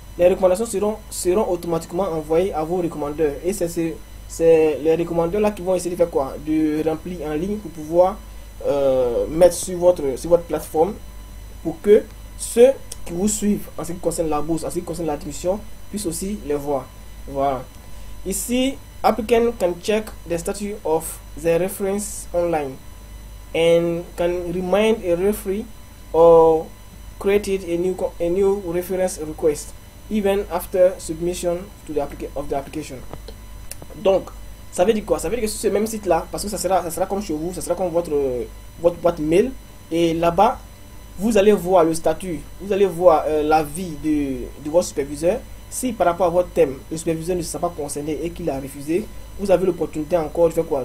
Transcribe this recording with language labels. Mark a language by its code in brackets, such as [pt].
[fr] Les recommandations seront automatiquement envoyées à vos recommandeurs. Et c'est les recommandeurs là qui vont essayer de faire quoi? De remplir en ligne pour pouvoir mettre sur votre plateforme pour que ceux qui vous suivent en ce qui concerne la bourse, en ce qui concerne l'admission, puissent aussi les voir. Voilà. [en] Ici, applicant can check the status of the reference online and can remind a referee or created a new reference request even after submission to the of the application. [fr] Donc, ça veut dire quoi? Ça veut dire que sur ce même site-là, parce que ça sera comme chez vous, ça sera comme votre boîte mail, et là-bas, vous allez voir le statut, vous allez voir l'avis de votre superviseur. Si par rapport à votre thème, le superviseur ne s'est pas concerné et qu'il a refusé, vous avez l'opportunité encore de faire quoi?